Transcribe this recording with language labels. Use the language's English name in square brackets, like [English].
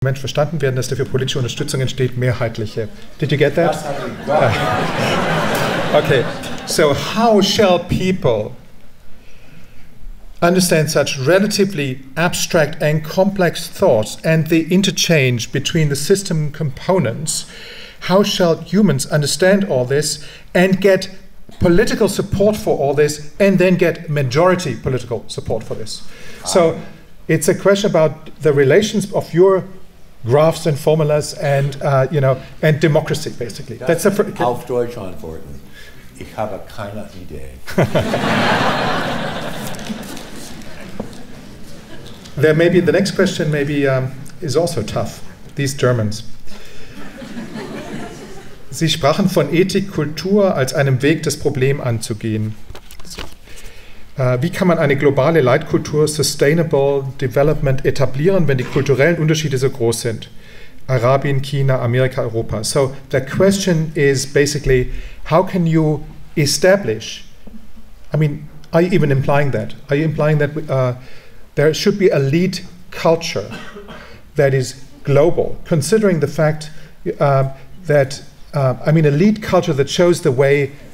[German] Moment, verstanden werden, dass dafür politische Unterstützung entsteht, mehrheitliche. [English] Did you get that? Okay, so how shall people understand such relatively abstract and complex thoughts and the interchange between the system components? How shall humans understand all this and get political support for all this and then get majority political support for this? So it's a question about the relations of your graphs and formulas and, you know, and democracy, basically. That's a [German] Auf Deutsch antworten. Ich habe keine Idee. [English] There may be the next question maybe is also tough. These Germans. [German] Sie sprachen von Ethik, Kultur als einem Weg, das Problem anzugehen. Wie kann man eine globale Leitkultur, Sustainable Development, etablieren, wenn die kulturellen Unterschiede so groß sind? Arabien, China, Amerika, Europa. [English] So the question is basically, how can you establish, I mean, are you even implying that? Are you implying that there should be a lead culture that is global, considering the fact that, I mean, a lead culture that shows the way